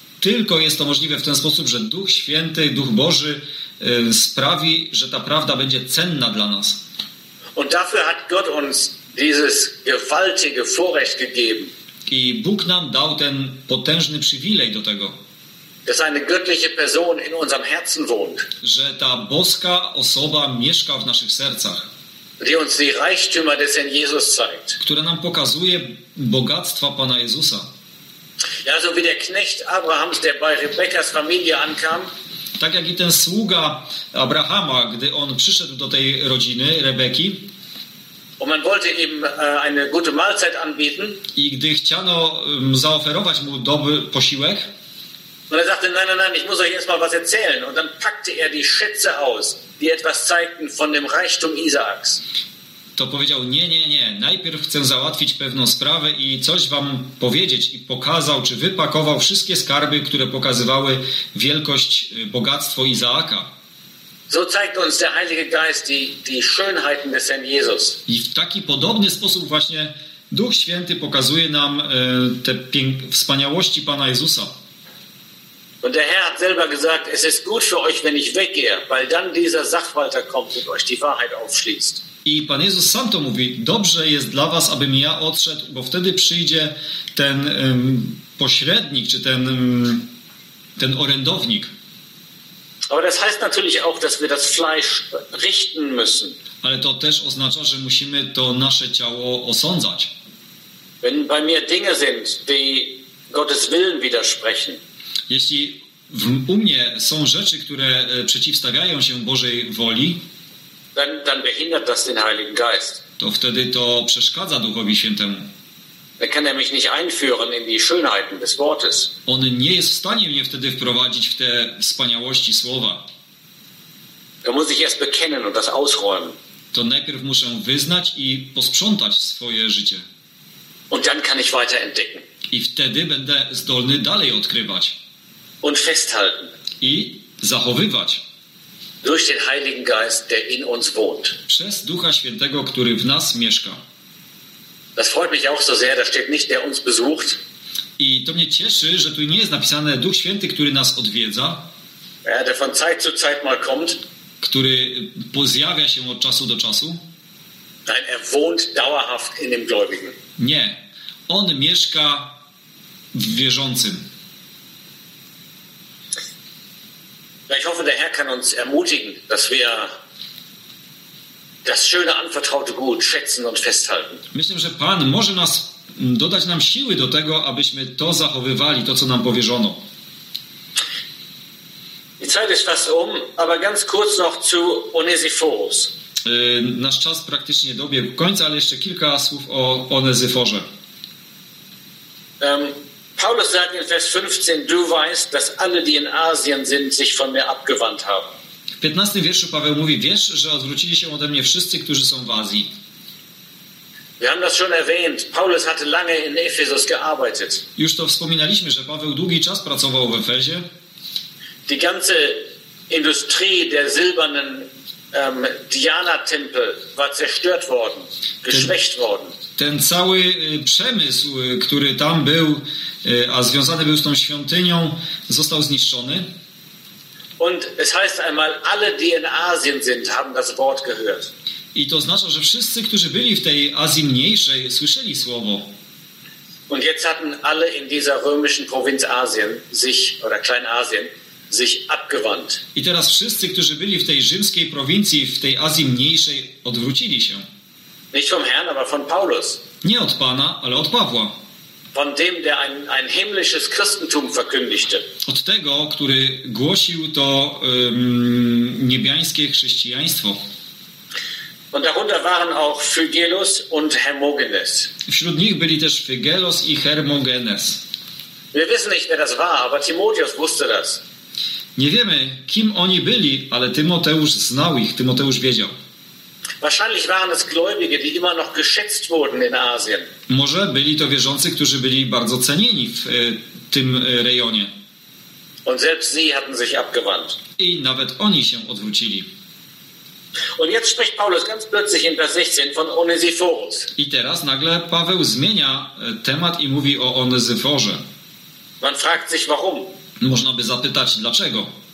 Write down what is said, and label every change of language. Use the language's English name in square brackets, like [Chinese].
[Polish] Tylko jest to możliwe w ten sposób, że Duch Święty, Duch Boży sprawi, że ta prawda będzie cenna dla nas. [German] Und dafür hat Gott uns dieses gewaltige Vorrecht gegeben. [Polish] I Bóg nam dał ten potężny przywilej do tego. [German] Dass eine göttliche Person in unserem Herzen wohnt. [Polish] Że ta boska osoba mieszka w naszych sercach. [German] Die uns die Reichtümer des Herrn Jesus zeigt. [Polish] Która nam pokazuje bogactwa Pana Jezusa. [German] Ja, so wie der Knecht Abrahams, der bei Rebekkas Familie ankam. [Polish] Tak jak i ten sługa Abrahama, gdy on przyszedł do tej rodziny, Rebeki. [German] Und man wollte ihm eine gute Mahlzeit anbieten. [Polish] I gdy chciano zaoferować mu dobry posiłek. [German] Und er sagte, nein, nein, nein, ich muss euch erst mal was erzählen. Und dann packte er die Schätze aus, die etwas zeigten von dem Reichtum Isaaks. [Polish] To powiedział, nie, nie, nie, najpierw chcę załatwić pewną sprawę i coś wam powiedzieć. I pokazał, czy wypakował wszystkie skarby, które pokazywały wielkość, bogactwo Izaaka. [German] So zeigt uns der Heilige Geist die Schönheiten des Herrn Jesus. [Polish] I w taki podobny sposób właśnie Duch Święty pokazuje nam te wspaniałości Pana Jezusa. [German] Und der Herr hat selber gesagt, es ist gut für euch, wenn ich weggehe, weil dann dieser Sachwalter kommt und euch die Wahrheit aufschließt. [Polish] I Pan Jezus sam to mówi, dobrze jest dla was, abym ja odszedł, bo wtedy przyjdzie ten pośrednik, czy ten orędownik. [German] Aber das heißt natürlich auch, dass wir das Fleisch richten müssen. [Polish] Ale to też oznacza, że musimy to nasze ciało osądzać. [German] Wenn bei mir Dinge sind, die Gottes Willen widersprechen. [Polish] Jeśli u mnie są rzeczy, które przeciwstawiają się Bożej woli, [German] dann behindert das den Heiligen Geist. [Polish] To wtedy to przeszkadza Duchowi Świętemu. [German] Dann kann er mich nicht einführen in die Schönheiten des Wortes. [Polish] On nie jest w stanie mnie wtedy wprowadzić w te wspaniałości słowa. [German] Da muss ich erst bekennen und das ausräumen. [Polish] To najpierw muszę wyznać i posprzątać swoje życie. [German] Und dann kann ich weiter entdecken. [Polish] I wtedy będę zdolny dalej odkrywać. [German] Und festhalten. [Polish] I zachowywać. [German] Durch den Heiligen Geist, der in uns wohnt. [Polish] Przez Ducha Świętego, który w nas mieszka. [German] Das freut mich auch so sehr, da steht nicht, der uns besucht. [Polish] I to mnie cieszy, że tu nie jest napisane Duch Święty, który nas odwiedza. [German] Ja, der von Zeit zu Zeit mal kommt. [Polish] Który pozjawia się od czasu do czasu. [German] Nein, er wohnt dauerhaft in dem Gläubigen. [Polish] Nie. On mieszka w wierzącym. [German] Ich hoffe, der Herr kann uns ermutigen, dass wir das schöne anvertraute Gut schätzen und festhalten. [Polish] Myślę, że Pan może nas dodać nam siły do tego, abyśmy to zachowywali, to co nam powierzono. [German] Die Zeit ist fast um, aber ganz kurz noch zu Onesiphorus. [Polish] Nasz czas praktycznie dobiegł końca, ale jeszcze kilka słów o Onesiforze. [German] Paulus sagt in Vers 15, du weißt, dass alle, die in Asien sind, sich von mir abgewandt haben. [Polish] W 15 wierszu Paweł mówi, wiesz, że odwrócili się ode mnie wszyscy, którzy są w Azji. [German] Wir haben das schon erwähnt. Paulus hatte lange in Ephesus gearbeitet. [Polish] Już to wspominaliśmy, że Paweł długi czas pracował w Efezie. [German] Die ganze Industrie der silbernen Diana-Tempel war zerstört worden, geschwächt worden. [Polish] Ten cały przemysł, który tam był, a związany był z tą świątynią, został zniszczony. [German] Und es heißt einmal, alle, die in Asien sind, haben das Wort gehört. [Polish] I to oznacza, że wszyscy, którzy byli w tej Azji Mniejszej, słyszeli słowo. [German] Und jetzt hatten alle in dieser römischen Provinz Asien sich oder Kleinasien sich abgewandt. [Polish] I teraz wszyscy, którzy byli w tej rzymskiej prowincji, w tej Azji Mniejszej, odwrócili się. [German] Nicht vom Herrn, aber von Paulus. [Polish] Nie od Pana, ale od Pawła. [German] Von dem, der ein himmlisches Christentum verkündigte. [Polish] Od tego, który głosił to niebiańskie chrześcijaństwo. [German] Und darunter waren auch Phygelus und Hermogenes. [Polish] Wśród nich byli też Phygelus i Hermogenes. [German] Wir wissen nicht, wer das war, aber Timotheus wusste das. [Polish] Nie wiemy, kim oni byli, ale Tymoteusz znał ich, Tymoteusz wiedział. [German] Wahrscheinlich waren es Gläubige, die immer noch geschätzt wurden in Asien. [Polish] Może byli to wierzący, którzy byli bardzo cenieni w tym rejonie. [German] Und selbst sie hatten sich abgewandt. [Polish] I nawet oni się odwrócili. [German] Und jetzt spricht Paulus ganz plötzlich in Vers 16 von Onesiphorus. [Polish] I teraz nagle Paweł zmienia temat i mówi o Onesiphorze. [German] Man fragt sich warum. [Polish] Można by zapytać dlaczego.